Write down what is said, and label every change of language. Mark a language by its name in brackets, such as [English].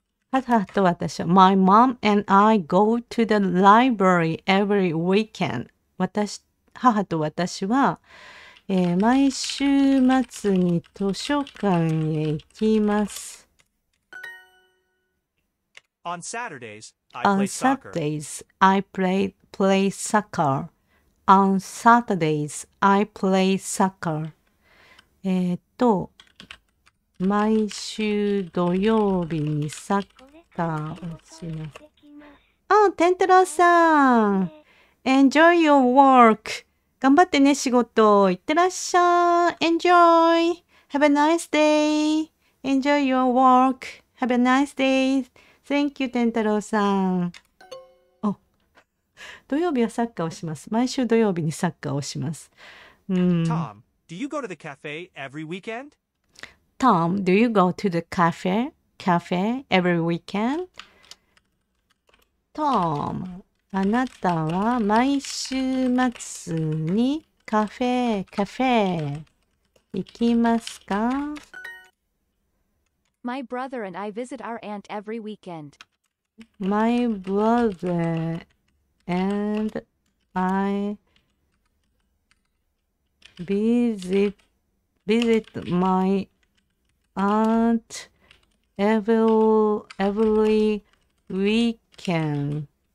[Japanese] 母と私は [English] My mom and I go to the library every weekend. [Japanese] 母と私は、毎週末に図書館へ行きます。 [English] On Saturdays, I play soccer. On Saturdays, I play soccer. [Japanese] 毎週土曜日にサッカーをします。 [English] あ、テントロウさん。Enjoy your work. [Japanese] 頑張ってね、仕事。いってらっしゃい。 [English] Enjoy. Have a nice day. Enjoy your work. Have a nice day. Thank you, テントロウさん。 [Japanese] お、土曜日はサッカーをします。毎週土曜日にサッカーをします。 [English] Tom, do you go to the cafe every weekend? Tom, do you go to the cafe every weekend? [Japanese] Tom, あなたは毎週末にカフェ行きますか? [English] My brother and I visit our aunt every weekend. My brother and I visit myAunt every weekend.